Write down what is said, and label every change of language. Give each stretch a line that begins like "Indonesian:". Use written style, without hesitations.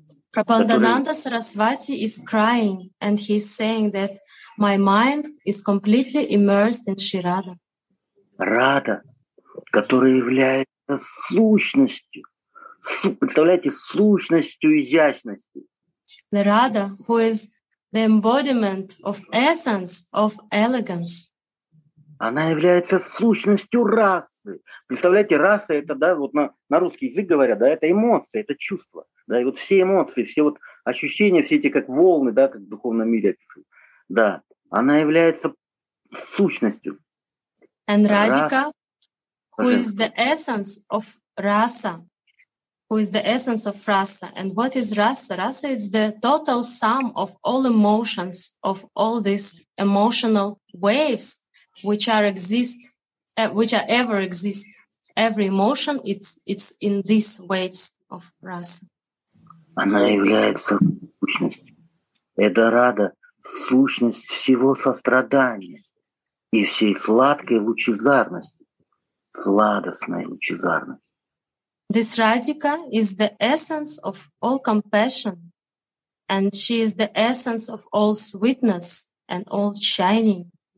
English: Прабхадананда Сарасвати is crying, and he is saying that my mind is completely immersed in Shri Radha.
Russian: Радха, которая является сущностью. Представляете, сущностью изящности.
English: The Radha, who is the embodiment of essence of elegance.
Russian: Она является сущностью расы. Представляете, раса это, да, вот на русский язык говорят, да, это эмоции, это чувства. Да, и вот все эмоции, все вот ощущения, все эти как волны, да, как в духовном мире. Да, она является сущностью.
English: And Radhika, who is the essence of rasa. Who is the essence of rasa? And what is rasa? Rasa is the total sum of all emotions, of all these emotional waves, which ever exist. Every emotion, it's in these waves of rasa.
Russian: Она является сущностью. Это рада, сущность всего сострадания и всей сладкой лучезарности, сладостной лучезарности.
English: This Radhika is the essence of all compassion, and she is the essence of all sweetness and all shining.